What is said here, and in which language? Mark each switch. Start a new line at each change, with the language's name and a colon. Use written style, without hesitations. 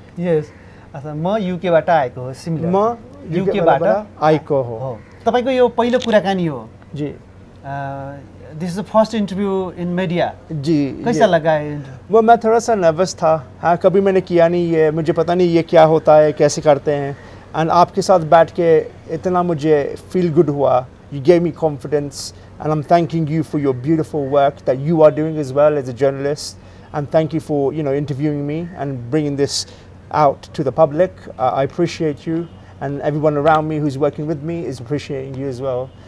Nepali: यस, अथवा म युकेबाट आएको हो.
English: similar,
Nepali: म युकेबाट आएको हो. तपाईँको यो पहिलो कुराकानी हो जी.
English: This is the first interview in media. जी,
Hindi: कैसा लगा है? वो मैं थोड़ा सा नर्वस था. हाँ, कभी मैंने किया नहीं ये, मुझे पता नहीं ये क्या होता है, कैसे करते हैं. एंड आपके साथ बैठ के इतना मुझे फील गुड हुआ.
English: You gave me confidence and I am thanking you for your beautiful work that you are doing as well as a journalist. And thank you for you know interviewing me and bringing this out to the public. I appreciate you. and everyone around me who's working with me is appreciating you as well.